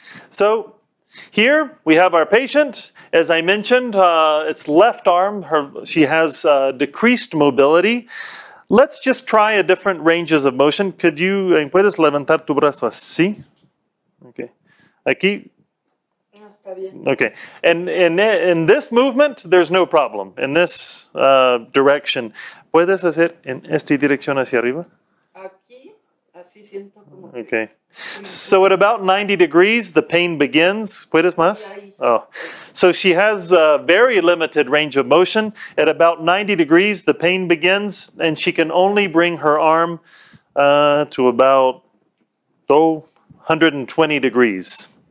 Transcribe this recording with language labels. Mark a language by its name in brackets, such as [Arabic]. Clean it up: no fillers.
[English] So here we have our patient. As I mentioned, it's left arm. She has decreased mobility. Let's just try a different ranges of motion. Could you, [Spanish] ¿puedes levantar tu brazo así? Okay, aquí. [English] Okay, and in this movement, there's no problem. In this direction, [Spanish] ¿puedes hacer en esta dirección hacia arriba? Aquí, así siento como que... [English] So at about 90 degrees, the pain begins. [Spanish] ¿Puedes más? [English] Oh. So she has a very limited range of motion. At about 90 degrees, the pain begins, and she can only bring her arm to about 120 degrees.